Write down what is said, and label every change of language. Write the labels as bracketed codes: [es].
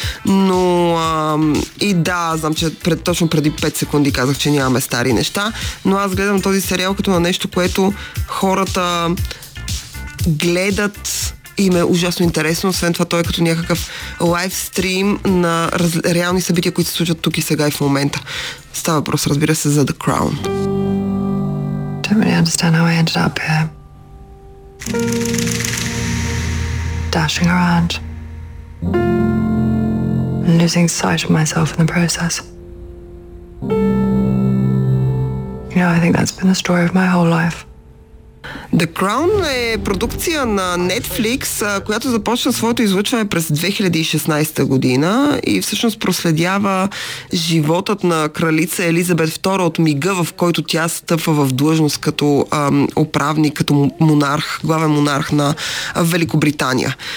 [bg] Но и да, знам, че точно преди 5 секунди казах, че нямаме стари неща, но аз гледам този сериал като на нещо, което хората гледат и ме е ужасно интересно. Освен това, той е като някакъв лайвстрим на реални събития, които се случат тук и сега и в момента. Става въпрос, разбира се, за The Crown. [en] Don't really understand how I ended up here. Dashing around. and losing sight of myself in the process. You know, I think that's been the story of my whole life. [bg] The Crown е продукция на Netflix, която започна своето излъчване през 2016 година и всъщност проследява животът на кралица Елизабет II от мига, в който тя стъпва в длъжност като управник, като монарх, главен монарх на Великобритания.